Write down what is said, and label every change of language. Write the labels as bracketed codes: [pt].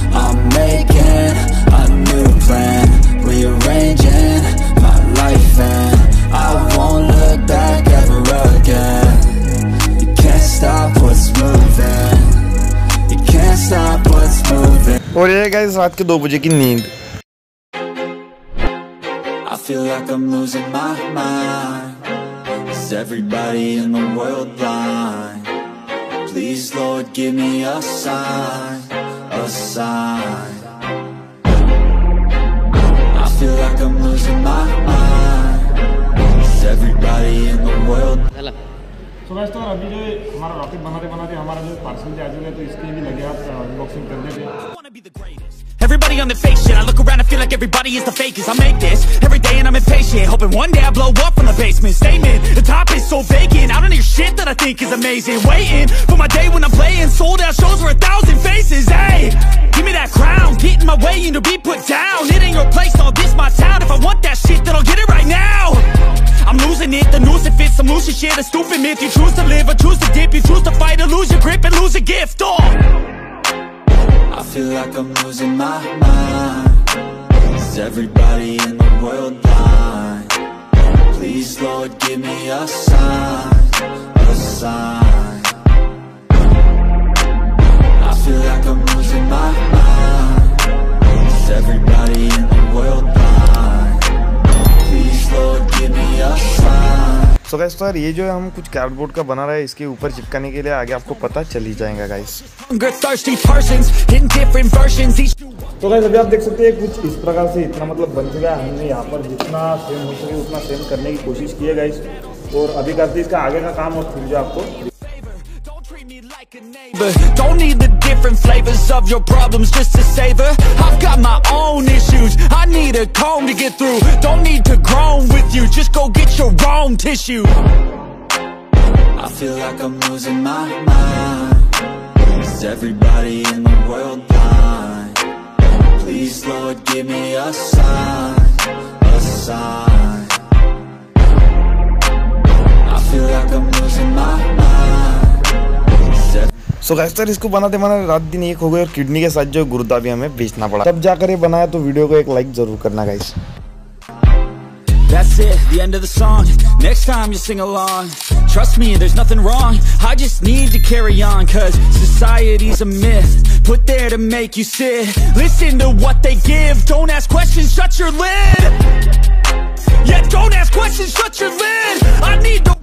[en] I'm making a new plan, rearranging my life, and I won't look back ever again. You can't stop what's moving. You can't stop what's moving. [hi] और ये guys रात के 2 बजे की नींद। [en] Feel like I'm losing my mind. Is everybody in the world blind? Please, Lord, give me a sign, a sign. I feel like I'm losing my mind. Is everybody in the world? Hello. [hi] तो guys तो अभी जो हमारा rocket बनाते बनाते हमारा जो parcel जो आ जाए तो इसके भी लगे आप अनबॉक्सिंग कर देते हैं। [en] Everybody on the fake shit, I look around and feel like everybody is the fakest. I make this every day and I'm impatient, hoping one day I blow up from the basement. Statement, the top is so vacant, I don't hear shit that I think is amazing. Waiting for my day when I'm playing sold out shows for 1,000 faces. Hey, give me that crown, get in my way and you'll be put down. It ain't your place, all this my town. If I want that shit, then I'll get it right now. I'm losing it, the noose, it fits some loose shit, a stupid myth. You choose to live or choose to dip, you choose to fight or lose your grip and lose a gift. Oh, I feel like I'm losing my mind. Is everybody in the world blind? Please, Lord, give me a sign, a sign. I feel like I'm losing my mind. Is everybody in the world blind? Please, Lord, give me a sign. So guys, [hi] तो ये जो है हम कुछ cardboard का बना रहे हैं, इसके ऊपर चिपकाने के लिए आगे आपको पता चल ही जाएगा गाइस। तो गाइस अभी आप देख सकते हैं कुछ इस प्रकार से इतना मतलब बन चुका है। हमने यहाँ पर जितना सेम हो सके उतना सेम करने की कोशिश की है गाइस, और अभी करते इसका आगे का काम और फिर जो आपको [en] Don't need the different flavors of your problems just to savor. I've got my own issues, I need a comb to get through. Don't need to groan with you, just go get your wrong tissue. I feel like I'm losing my mind. Is everybody in the world blind? Please, Lord, give me a sign, a sign. I feel like I'm losing my mind. [hi] So guys इसको बनाते बनाते रात दिन एक हो गए और kidney के साथ जो गुर्दा भी हमें बेचना पड़ा, तब जाकर ये बनाया। तो वीडियो को एक लाइक जरूर करना guys. [en] That's it, the end of the song. Next time you sing along. Trust me, there's nothing wrong. I just need to carry on. Cause society's a myth, put there to make you sit. Listen to what they give. Don't ask questions, shut your lid. Yeah, don't ask questions, shut your lid. I need to